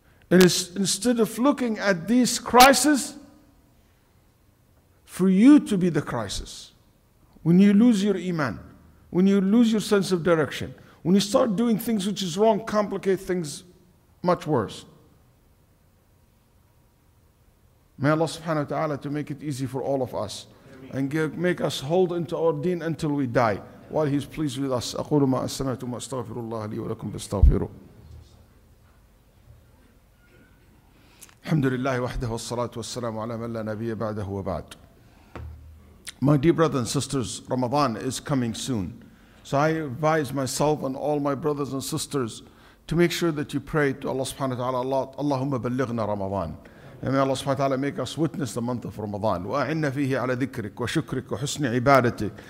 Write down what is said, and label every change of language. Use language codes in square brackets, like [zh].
[en] And instead of looking at this crisis, for you to be the crisis, when you lose your iman, when you lose your sense of direction, when you start doing things which is wrong, complicate things much worse. May Allah subhanahu wa ta'ala to make it easy for all of us and make us hold into our deen until we die. While he's pleased with us, [ar] أقول ما أسمعت ما أستغفر الله لي ولكم فاستغفروا. الحمد لله وحده والصلاة والسلام على من لا نبي بعده وبعد. [en] My dear brothers and sisters, Ramadan is coming soon. So I advise myself and all my brothers and sisters to make sure that you pray to Allah subhanahu wa ta'ala a lot. [ar] اللهم بلغنا رمضان. [en] And may Allah subhanahu wa ta'ala make us witness the month of Ramadan. [ar] وَأَعِنَّ فِيهِ عَلَى ذِكْرِكَ وَشُكْرِكَ وَحُسْنِ عِبَادَتِكَ.